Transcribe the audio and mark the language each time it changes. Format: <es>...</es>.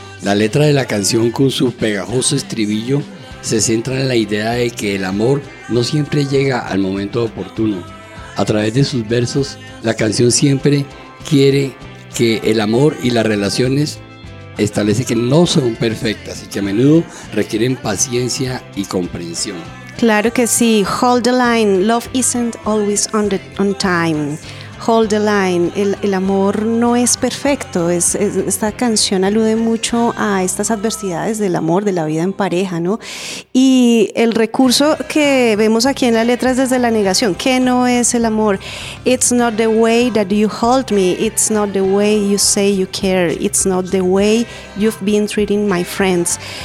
<es>La letra de la canción, con su pegajoso estribillo, se centra en la idea de que el amor no siempre llega al momento oportuno. A través de sus versos, la canción siempre quiere que el amor y las relaciones establece que no son perfectas y que a menudo requieren paciencia y comprensión. Claro que sí.</es> <en>Hold the line. Love isn't always on time. Hold the line.</en> <es>El amor no es perfecto. Esta canción alude mucho a estas adversidades del amor, de la vida en pareja, ¿no? Y el recurso que vemos aquí en la letra es desde la negación. ¿Qué no es el amor?</es> <en>It's not the way that you hold me. It's not the way you say you care. It's not the way you've been treating my friends.</en>